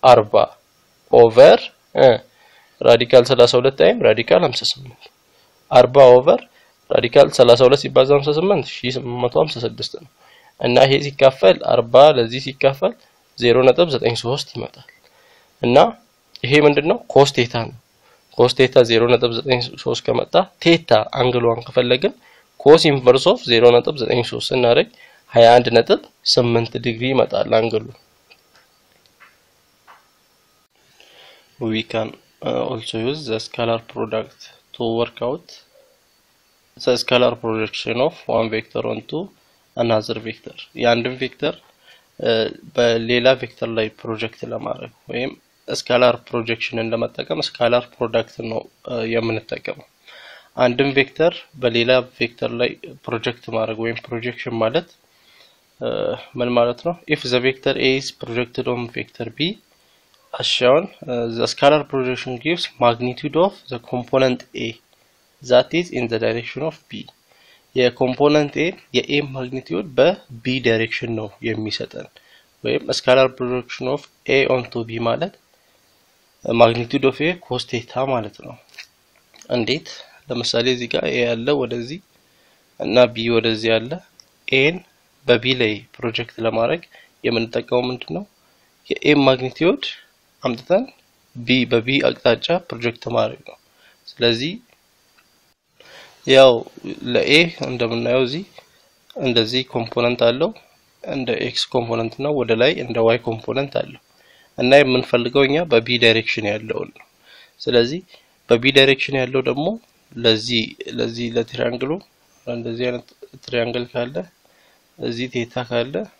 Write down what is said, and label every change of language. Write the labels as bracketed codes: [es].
[am] 40 ኦቨር ራዲካል 32 ታይም ራዲካል 58 40 ኦቨር ራዲካል 32 ሲባዛ 58 1856 ነው። እና ይሄ ሲካፈል 40 ለዚህ ሲካፈል 0.93 ይመጣል። እና ይሄ ምንድነው? ኮስ ቴታ ነው። ኮስ ቴታ 0.93 ከመጣ ቴታ አንግሉን ከፈለግን ኮስ ኢንቨርስ ኦፍ 0.93 እናደርግ 21.8 ዲግሪ ይመጣል አንግሉ። [en] we can also use the scalar product to work out the scalar projection of one vector onto another vector. [am] የአንድን ቬክተር በሌላ ቬክተር ላይ ፕሮጀክት ለማድረግ ወይም ስካላር ፕሮጀክሽንን ለመጠቀም ስካላር ፕሮዳክት ነው የምንጠቀመው። አንድም ቬክተር በሌላ ቬክተር ላይ ፕሮጀክት ማድረግ ወይም ፕሮጀክሽን ማለት ምን ማለት ነው? [en] if the vector a is projected on vector b as shown the scalar projection gives magnitude of the component a that is in the direction of b [am] የኮምፖነንት ኤ የኤ ማግኒቲዩድ በቢ ዳይሬክሽን ነው የሚሰጠን። [en] ወይም ስካላር ፕሮጀክሽን ኦፍ ኤ ኦን ቱ ቢ ማለት ማግኒቲዩድ ኦፍ ኤ ኮስ ቴታ ማለት ነው። እንዴት? [am] ለምሳሌ እዚህ ጋር ኤ ያለ ወደዚህ እና ቢ ወደዚህ ያለ ኤን በቢ ላይ ፕሮጀክት ለማድረግ የምንጠቀመው ምንድነው? የኤ ማግኒቲዩድ አምጥተን ቢ በቢ አቅጣጫ ፕሮጀክት ማድረግ ነው። ስለዚህ ያው ለኤ እንደምናየው እዚህ እንደዚህ ኮምፖነንት አለው እንደ ኤክስ ኮምፖነንት ነው ወደ ላይ እንደ ዋይ ኮምፖነንት አለው። እና የምንፈልገው እኛ በቢ ዳይሬክሽን ያለው ነው። ስለዚህ በቢ ዳይሬክሽን ያለው ደግሞ ለዚህ ለትሪያንግሉ እንደዚህ አይነት ትሪያንግል ካለ እዚህ ቴታ ካለ